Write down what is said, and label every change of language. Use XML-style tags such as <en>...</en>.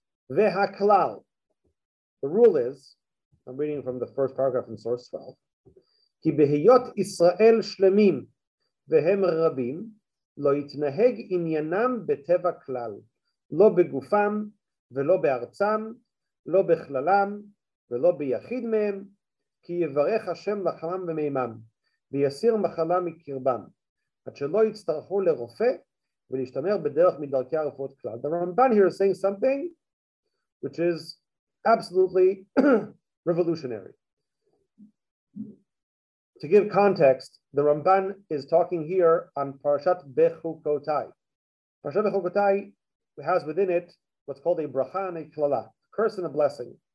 <en>Ve'haklal, the rule is, I'm reading from the first paragraph in source 12,</en> <he>כי בהיות ישראל שלמים והם רבים, לא יתנהג עניינם בטבע כלל, לא בגופם ולא בארצם, לא בכללם ולא ביחיד מהם, כי יברך השם לחמם ומימם, ויסיר מחלה מקרבם, עד שלא יצטרכו לרופא ולהשתמר בדרך מדרכי הרפואות כלל.</he> <en>The Ramban here is saying something which is absolutely revolutionary. To give context, the Ramban is talking here on Parashat Bechukotai. Parashat Bechukotai has within it what's called a bracha and a klala, a curse and a blessing.</en>